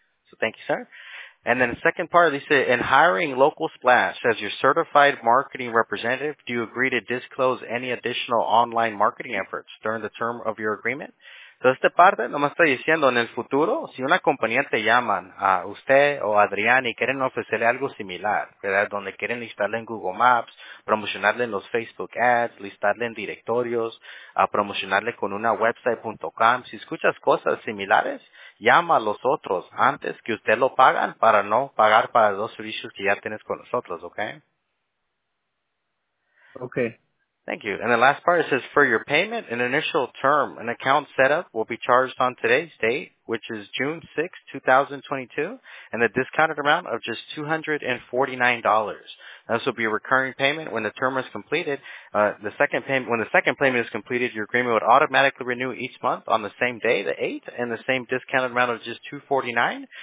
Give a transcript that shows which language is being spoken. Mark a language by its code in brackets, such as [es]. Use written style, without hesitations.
[en] So thank you, sir. And then the second part, dice, in hiring Local Splash as your certified marketing representative, do you agree to disclose any additional online marketing efforts during the term of your agreement? [es] Entonces, esta parte nomás está diciendo, en el futuro, si una compañía te llama a usted o a Adrián y quieren ofrecerle algo similar, ¿verdad? Donde quieren listarle en Google Maps, promocionarle en los Facebook Ads, listarle en directorios, a promocionarle con una website.com. Si escuchas cosas similares, llama a los otros antes que usted lo pagan para no pagar para los servicios que ya tienes con nosotros, ¿ok? Ok. [en] Thank you. And the last part, it says, for your payment, an initial term, an account setup will be charged on today's date, which is June 6, 2022, and the discounted amount of just $249. This will be a recurring payment when the term is completed. When the second payment is completed, your agreement would automatically renew each month on the same day, the 8th, and the same discounted amount of just $249.